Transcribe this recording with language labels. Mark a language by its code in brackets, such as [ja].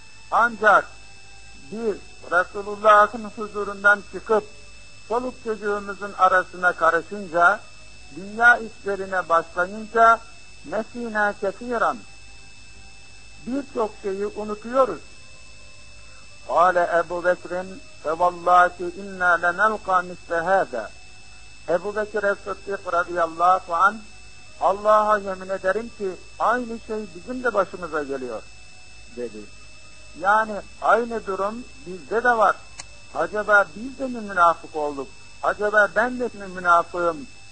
[tr] Ancak biz Resulullah'ın huzurundan çıkıp çoluk çocuğumuzun arasına karışınca, dünya işlerine başlayınca nesina kesiren, birçok şeyi unutuyoruz. [ar] قال أبو بكر فوالله إنا لنلقى مثل هذا. [tr] Ebu Bekir es-Sıddık radıyallahu anh, "Allah'a yemin ederim ki aynı şey bizim de başımıza geliyor" dedi. Yani aynı durum bizde de var. Acaba biz de mi münafık olduk? Acaba ben de mi münafığım